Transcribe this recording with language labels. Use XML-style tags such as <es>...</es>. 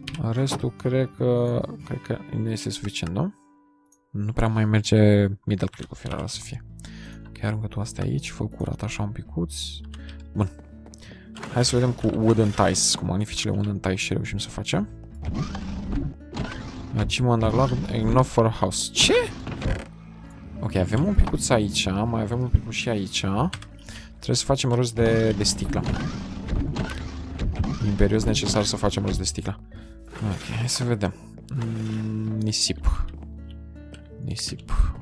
<ro>Restul cred că nu este suficient, nu? Nu prea mai merge middle click cu fiorile să fie. Ok, aruncă tu astea aici, fă curat așa un picuț. Bun. Hai să vedem cu wooden ties, cu magnificile wooden ties și reușim să facem.</ro> <en>Achievement unlocked, enough for a house.</en> <ro>Ce? Ok, avem un picuț aici, mai avem un picuț și aici. Trebuie să facem rost de sticla. Imperios necesar să facem rost de sticla. Ok, hai să vedem. Nisip. Nisip.</ro>